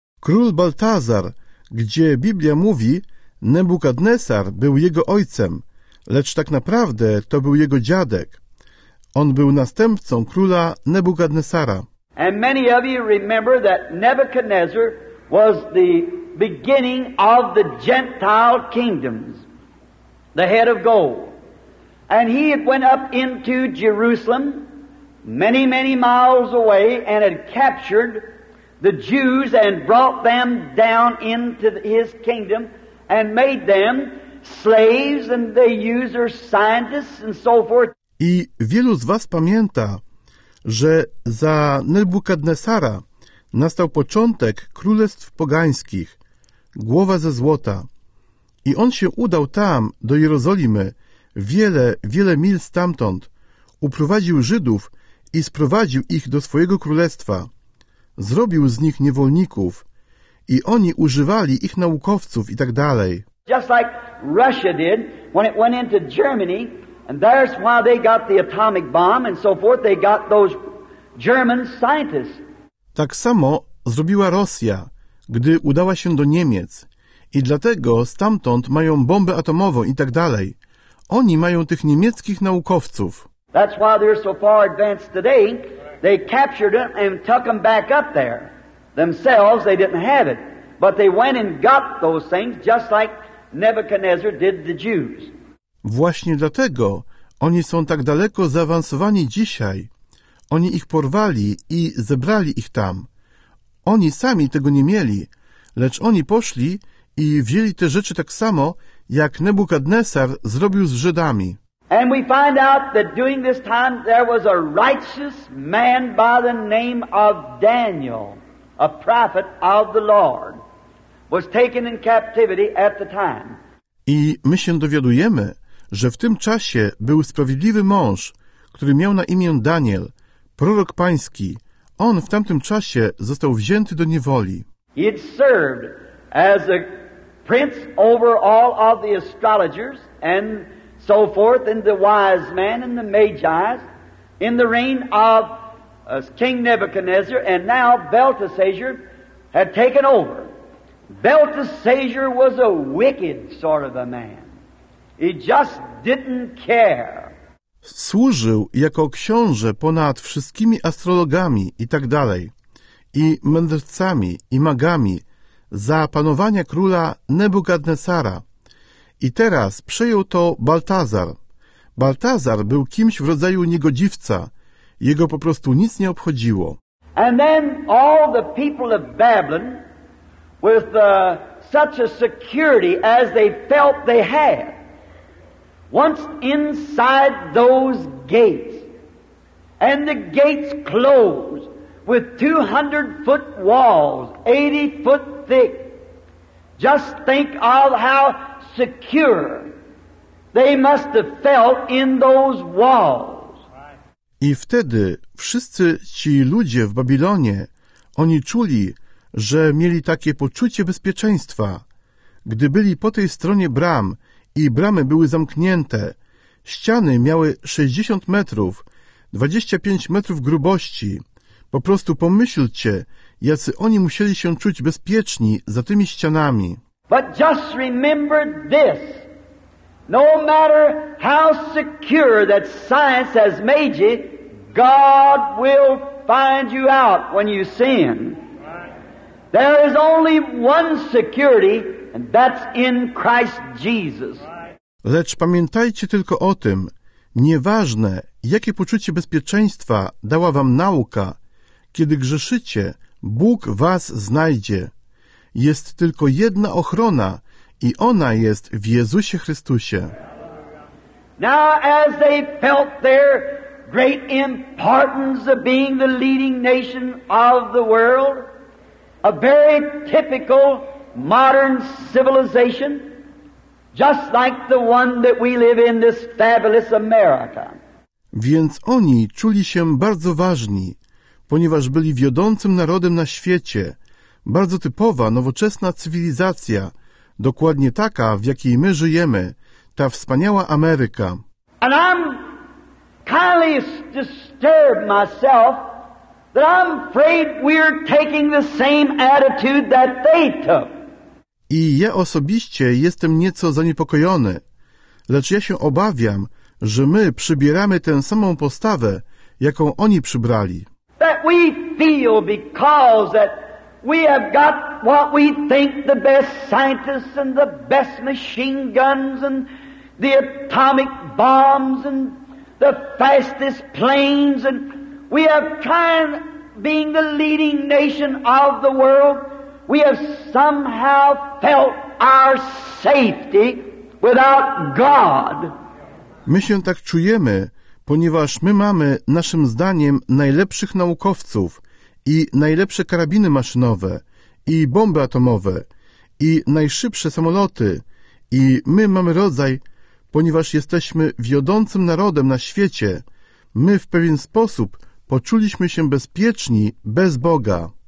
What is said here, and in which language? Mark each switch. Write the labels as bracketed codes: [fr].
[pl] Król Baltazar, gdzie Biblia mówi, Nebukadnesar był jego ojcem, lecz tak naprawdę to był jego dziadek. On był następcą króla Nebukadnesara. [en] And many of you remember that Nebuchadnezzar was the beginning of the Gentile kingdoms, the head of gold. And he had went up into Jerusalem, many, many miles away, and had captured the Jews and brought them down into his kingdom and made them slaves, and they used their scientists and so forth. [pl] I wielu z was pamięta, że za Nebukadnesara nastał początek królestw pogańskich, głowa ze złota. I on się udał tam, do Jerozolimy, wiele, wiele mil stamtąd, uprowadził Żydów i sprowadził ich do swojego królestwa. Zrobił z nich niewolników i oni używali ich naukowców i tak dalej. [en] Just like Russia did when it went into Germany, and that's why they got the atomic bomb and so forth, they got those German scientists. [pl] Tak samo zrobiła Rosja, gdy udała się do Niemiec i dlatego stamtąd mają bombę atomową i tak dalej. Oni mają tych niemieckich naukowców. [en] That's why they're so far advanced today. They captured them and took them back up there. Themselves, they didn't have it. But they went and got those things, just like Nebuchadnezzar did the Jews. [pl] Właśnie dlatego oni są tak daleko zaawansowani dzisiaj. Oni ich porwali i zebrali ich tam. Oni sami tego nie mieli, lecz oni poszli i wzięli te rzeczy tak samo, jak Nebuchadnezzar zrobił z Żydami. [en] And we find out that during this time there was a righteous man by the name of Daniel, a prophet of the Lord, was taken in captivity at the time. [pl] I my się dowiadujemy, że w tym czasie był sprawiedliwy mąż, który miał na imię Daniel, prorok pański. On w tamtym czasie został wzięty do niewoli. [en] He had served as a prince over all of the astrologers and so forth, and the wise men and the magi, in the reign of King Nebuchadnezzar, and now Belteshazzar had taken over. Belteshazzar was a wicked sort of a man. He just didn't care. [pl] Służył jako książę ponad wszystkimi astrologami i tak dalej, i mędrcami, i magami, za panowania króla Nebukadnesara. I teraz przejął to Baltazar. Baltazar był kimś w rodzaju niegodziwca. Jego po prostu nic nie obchodziło. [en] And then all the people of Babylon, with such a security as they felt they had, once inside those gates, and the gates closed with 200-foot walls, 80-foot thick. Just think of how secure they must have felt in those walls. [pl] I wtedy wszyscy ci ludzie w Babilonie, oni czuli, że mieli takie poczucie bezpieczeństwa, gdy byli po tej stronie bram i bramy były zamknięte. Ściany miały 60 metrów, 25 metrów grubości. Po prostu pomyślcie, jacy oni musieli się czuć bezpieczni za tymi ścianami. [en] But just remember this. No matter how secure that science has made you, God will find you out when you sin. There is only one security, and that's in Christ Jesus. [pl] Lecz pamiętajcie tylko o tym, nieważne, jakie poczucie bezpieczeństwa dała wam nauka, kiedy grzeszycie, Bóg was znajdzie. Jest tylko jedna ochrona i ona jest w Jezusie Chrystusie. [en] Now as they felt their great importance of being the leading nation of the world, a very typical modern civilization, just like the one that we live in, this fabulous America. [pl] Więc oni czuli się bardzo ważni, ponieważ byli wiodącym narodem na świecie, bardzo typowa, nowoczesna cywilizacja, dokładnie taka, w jakiej my żyjemy, ta wspaniała Ameryka. [en] And I'm highly disturbed myself that I'm afraid we're taking the same attitude that they took. [pl] I ja osobiście jestem nieco zaniepokojony, lecz ja się obawiam, że my przybieramy tę samą postawę, jaką oni przybrali. [en] That we feel because that we have got what we think the best scientists and the best machine guns and the atomic bombs and the fastest planes, and we have tried being the leading nation of the world. We have somehow felt our safety without God. [pl] My się tak czujemy, ponieważ my mamy, naszym zdaniem, najlepszych naukowców i najlepsze karabiny maszynowe i bomby atomowe i najszybsze samoloty, i my mamy rodzaj, ponieważ jesteśmy wiodącym narodem na świecie, my w pewien sposób poczuliśmy się bezpieczni bez Boga.